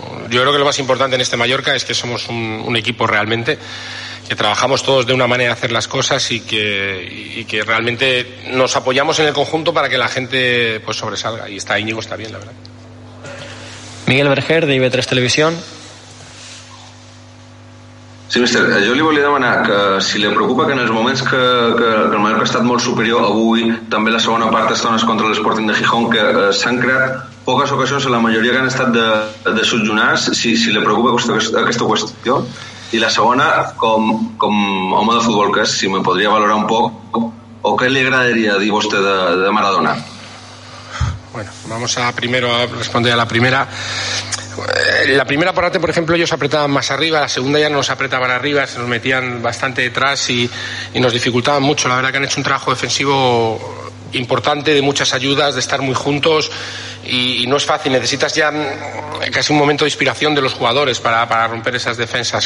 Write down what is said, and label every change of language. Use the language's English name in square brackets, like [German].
[Spanish] Yo creo que lo más importante en este Mallorca es que somos un equipo realmente, que trabajamos todos de una manera de hacer las cosas y que realmente nos apoyamos en el conjunto para que la gente pues sobresalga. Y está Íñigo, está bien, la verdad. Miguel Berger, de IB3 Televisión. [Catalan] Sí, míster, jo li volia demanar que si li preocupa que en els moments que el Mallorca ha estat molt superior avui, també la segona part estones contra l'Sporting de Gijón, que s'han creat poques ocasions, la majoria que han estat de sotjonars, si li preocupa aquesta qüestió. I la segona, com home de futbol que és, si me podria valorar un poc, o què li agradaria dir vostè de Maradona? [Spanish] Bueno, vamos a primero a responder a la primera. La primera parte, por ejemplo, ellos apretaban más arriba, la segunda ya no nos apretaban arriba, se nos metían bastante detrás y nos dificultaban mucho. La verdad que han hecho un trabajo defensivo importante, de muchas ayudas, de estar muy juntos y no es fácil, necesitas ya casi un momento de inspiración de los jugadores para romper esas defensas.